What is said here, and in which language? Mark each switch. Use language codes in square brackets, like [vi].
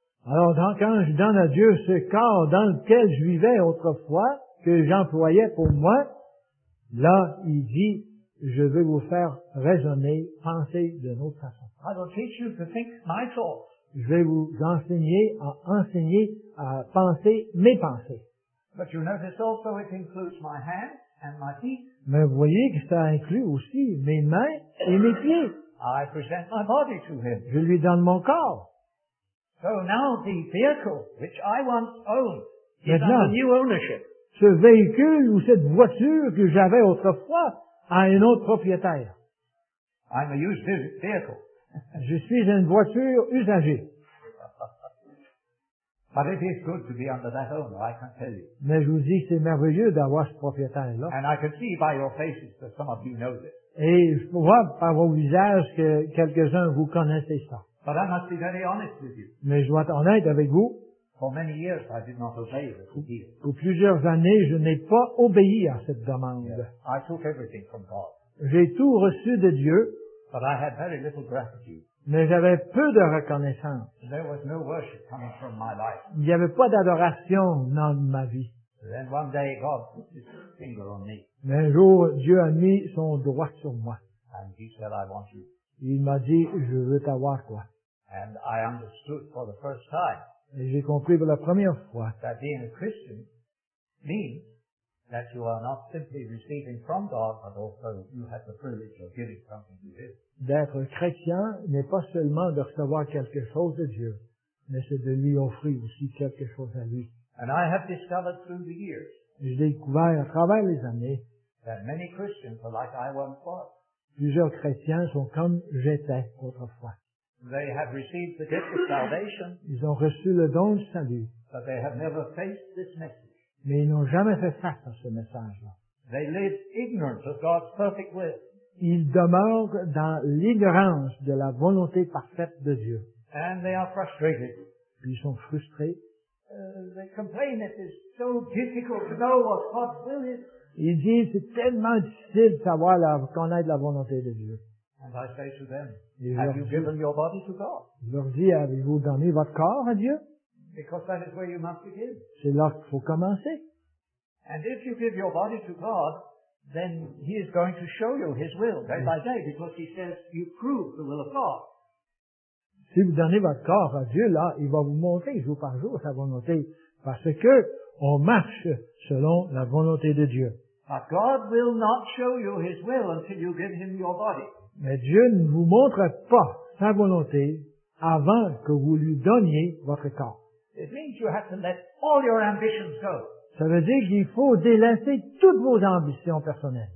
[fr] Alors, quand je donne à Dieu ce corps dans lequel je vivais autrefois, que j'employais pour moi, là, il dit, je veux vous faire raisonner, penser d'une autre façon. [en] I will teach you to think my thoughts. [fr] Je vais vous enseigner à penser mes pensées. [en] But you notice also it includes my hands and my feet. [fr] Mais vous voyez que ça inclut aussi mes mains et mes pieds. [en] I present my body to him. [fr] Je lui donne mon corps. [en] So now the vehicle which I once owned is [fr] maintenant, [en] under new ownership. [fr] Ce véhicule ou cette voiture que j'avais autrefois a un autre propriétaire. [en] I'm a used vehicle. [fr] Je suis une voiture usagée. [en] But it is good to be under that owner, I can tell you. [fr] Mais je vous dis, c'est merveilleux d'avoir ce propriétaire-là. [en] And I can see by your faces that some of you know this. [fr] Et je peux voir par vos visages que quelques-uns vous connaissez ça. [en] But I must be very honest with you. [fr] Mais je dois être honnête avec vous. [en] For many years I did not obey this appeal. [fr] Pour plusieurs années, je n'ai pas obéi à cette demande. [en] Yes. I took everything from God. [fr] J'ai tout reçu de Dieu. [en] But I had very little gratitude. [fr] Mais j'avais peu de reconnaissance. [en] There was no worship coming from my life. [fr] Il n'y avait pas d'adoration dans ma vie. [en] Then one day God put his finger on me. [fr] Mais un jour, Dieu a mis son doigt sur moi. [en] And he said, I want you. [fr] Il m'a dit, je veux t'avoir, toi. [en] And I understood for the first time. [fr] Et j'ai compris pour la première fois. [en] That being a Christian means that you are not simply receiving from God, but also you have the privilege of giving something to him. [fr] D'être chrétien n'est pas seulement de recevoir quelque chose de Dieu, mais c'est de lui offrir aussi quelque chose à lui. [en] And I have discovered through the years, [fr] j'ai découvert à travers les années, [en] that many Christians are like I once was. [fr] Plusieurs chrétiens sont comme j'étais autrefois. [en] They have received the gift of salvation, [fr] ils ont reçu le don du salut, [en] but they have never faced this message. [fr] Mais ils n'ont jamais fait face à ce message-là. [en] They live ignorant of God's perfect will. [fr] Ils demeurent dans l'ignorance de la volonté parfaite de Dieu. [en] And they are frustrated. [fr] Puis ils sont frustrés. [en] They complain that it's so difficult to know what God's will is. [fr] Ils disent c'est tellement difficile de savoir connaître la volonté de Dieu. [en] And I say to them, have you given your body to God? [fr] Je leur dis, avez-vous donné votre corps à Dieu? [en] Because that is where you must begin. [fr] C'est là qu'il faut commencer. [en] And if you give your body to God, then he is going to show you his will day by day, because he says you prove the will of God. [fr] Si vous donnez votre corps à Dieu, là, il va vous montrer jour par jour sa volonté, parce que on marche selon la volonté de Dieu. [en] But God will not show you his will until you give him your body. [fr] Mais Dieu ne vous montre pas sa volonté avant que vous lui donniez votre corps. [en] It means you have to let all your ambitions go. [fr] Ça veut dire qu'il faut délaisser toutes vos ambitions personnelles.